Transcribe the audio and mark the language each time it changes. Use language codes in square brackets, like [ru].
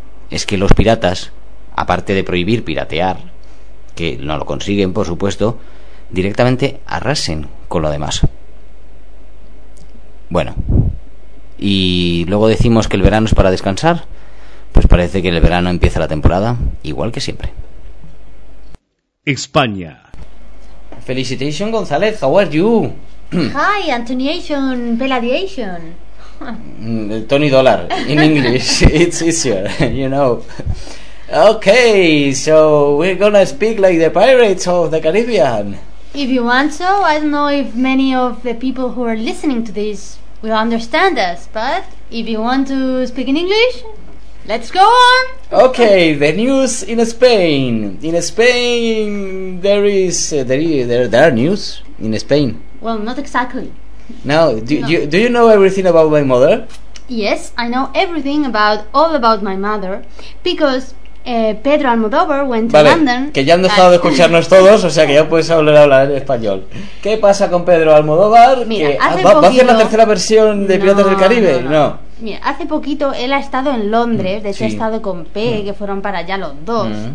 [es] Es que los piratas, aparte de prohibir piratear, que no lo consiguen, por supuesto, directamente arrasen con lo demás. Bueno, y luego decimos que el verano es para descansar. Pues parece que el verano empieza la temporada, igual que siempre. España. [en] Felicitation, González, how are you? Hi, Antoniation, Peladiation. Tony Dollar, in English, it's easier, you know. Okay, so we're gonna speak like the pirates of the Caribbean. If you want so, I don't know if many of the people who are listening to this will understand us, but if you want to speak in English, let's go on! Okay, the news in Spain. In Spain, there are news in Spain. Well, not exactly. Do you know everything about my mother? Yes, I know everything about my mother, because Pedro Almodóvar went [es] vale, [en] to London. [es] Que ya han dejado de escucharnos todos, o sea que ya puedes hablar español. ¿Qué pasa con Pedro Almodóvar? Mira, que hace poquito, ¿va a hacer la tercera versión de Piratas del Caribe? No. Mira, hace poquito él ha estado en Londres, de hecho sí. Ha estado con P, que fueron para allá los dos.